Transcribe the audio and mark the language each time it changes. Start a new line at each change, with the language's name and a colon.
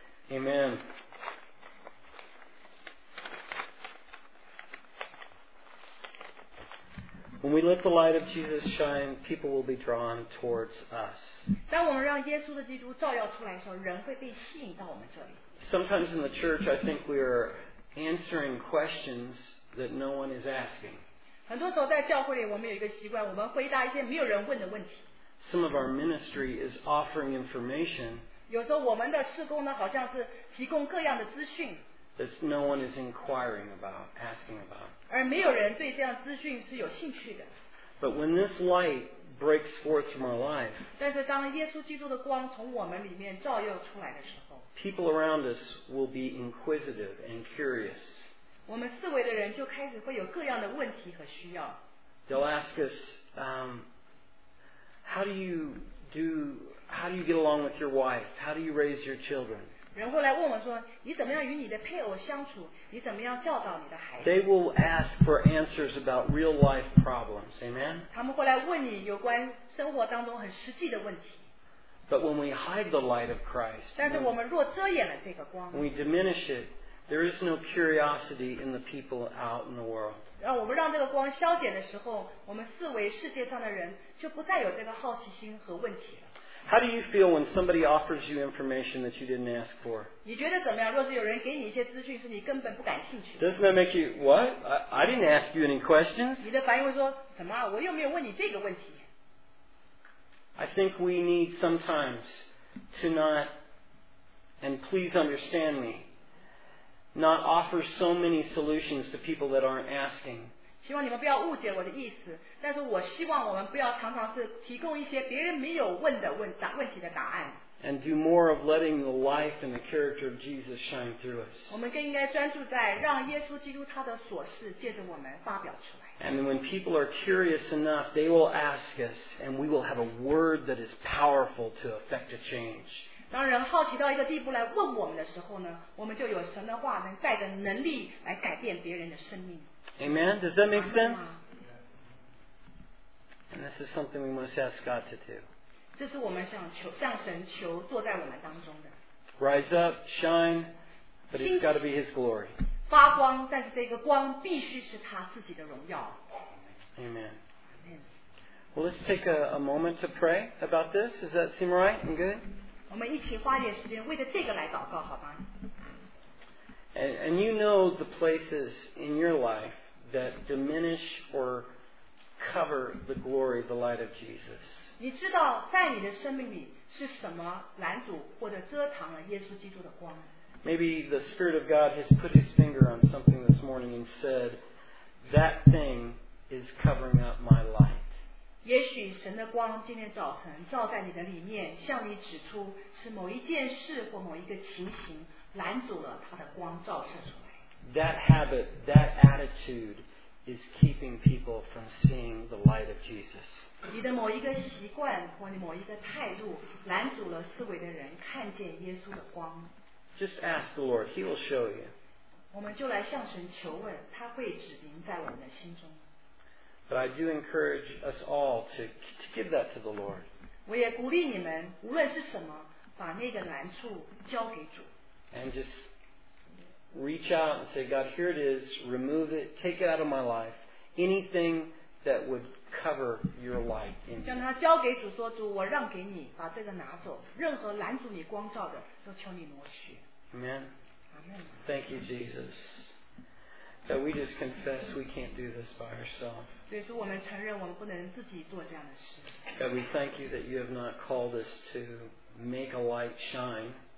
English: Amen When we let the light of Jesus shine, people will be drawn towards us.
Chinese: 当我们让耶稣的基督照耀出来的时候，人会被吸引到我们这里。
English: Sometimes in the church, I think we are answering questions that no one is asking.
Chinese: 很多时候在教会里，我们有一个习惯，我们回答一些没有人问的问题。
English: Some of our ministry is offering information.
Chinese: 有时候我们的事工呢，好像是提供各样的资讯。
English: That no one is inquiring about, asking about.
Chinese: 而没有人对这样资讯是有兴趣的。
English: But when this light breaks forth from our life,
Chinese: 但是当耶稣基督的光从我们里面照耀出来的时候
English: people around us will be inquisitive and curious.
Chinese: 我们四围的人就开始会有各样的问题和需要。
English: They'll ask us, how do you get along with your wife? How do you raise your children?
Chinese: 人会来问我说你怎么样与你的配偶相处你怎么样教导你的孩子
English: They will ask for answers about real life problems, amen?
Chinese: 他们会来问你有关生活当中很实际的问题
English: But when we hide the light of Christ
Chinese: 但是我们若遮掩了这个光
English: When we diminish it, there is no curiosity in the people out in the world
Chinese: 让我们让这个光消减的时候我们四围世界上的人就不再有这个好奇心和问题了
English: How do you feel when somebody offers you information that you didn't ask for?
Chinese: 你觉得怎么样？若是有人给你一些资讯是你根本不感兴趣的。
English: Doesn't that make you what? I didn't ask you any questions.
Chinese: 你的反应会说什么？我又没有问你这个问题。
English: I think we need sometimes to not, and please understand me, not offer so many solutions to people that aren't asking.
Chinese: 希望你们不要误解我的意思，但是我希望我们不要常常是提供一些别人没有问的问题的答案。
English: And do more of letting the life and the character of Jesus shine through us.
Chinese: 我们更应该专注在让耶稣基督他的所事借着我们发表出来。
English: And when people are curious enough, they will ask us, and we will have a word that is powerful to effect a change.
Chinese: 当人好奇到一个地步来问我们的时候呢，我们就有神的话能带着能力来改变别人的生命。
English: Amen? Does that make sense? And this is something we must ask God to do.
Chinese: 这是我们向神求坐在我们当中的。
English: Rise up, shine, but it's got to be His glory.
Chinese: 发光，但是这个光必须是他自己的荣耀。
English: Amen. Well, let's take a moment to pray about this. Does that seem right and good?
Chinese: 我们一起花点时间为着这个来祷告，好吗？
English: And you know the places in your life that diminish or cover the glory, the light of Jesus.
Chinese: 你知道在你的生命里是什么拦阻或者遮挡了耶稣基督的光？
English: Maybe the Spirit of God has put His finger on something this morning and said, that thing is covering up my light.
Chinese: 也许神的光今天早晨照在你的里面，向你指出是某一件事或某一个情形。
English: That habit, that attitude is keeping people from seeing the light of Jesus.
Chinese: 你的某一个习惯或你某一个态度拦阻了思维的人看见耶稣的光。
English: Just ask the Lord, He will show you.
Chinese: 我们就来向神求问，他会指明在我们的心中。
English: But I do encourage us all to give that to the Lord.
Chinese: 我也鼓励你们，无论是什么，把那个难处交给主。
English: And just reach out and say, God, here it is. Remove it. Take it out of my life. Anything that would cover your light.
Chinese: 将它交给主，说主，我让给你，把这个拿走。任何拦阻你光照的，都求你挪去。
English: Amen. Thank you, Jesus. That we just confess we can't do this by ourselves.
Chinese: 对，主，我们承认我们不能自己做这样的事。
English: God, we thank you that you have not called us to make a light shine.